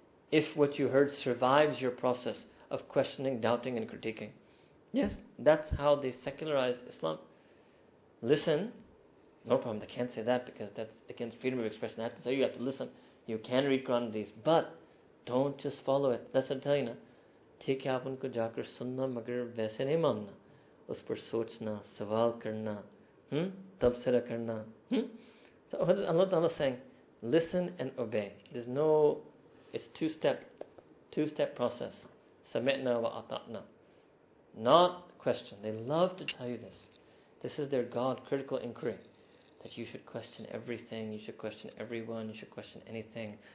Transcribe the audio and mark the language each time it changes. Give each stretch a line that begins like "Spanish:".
English: If what you heard survives your process of questioning, doubting, and critiquing. Yes, that's how they secularize Islam. Listen, no problem, they can't say that because that's against freedom of expression. They have to say you have to listen. You can read Quran and Hadith, but don't just follow it. That's what I'm telling you.
Urdu: ٹھیک ہے، آپ ان کو جا کر سننا مگر ویسے نہیں ماننا۔ اس پر سوچنا، سوال کرنا، تبصرہ کرنا۔
English: So what is Allah Ta'ala saying? Listen and obey. There's no, it's two-step process.
Arabic: Sami'na wa ata'na.
English: Not question. They love to tell you this. This is their God critical inquiry. That you should question everything, you should question everyone, you should question anything.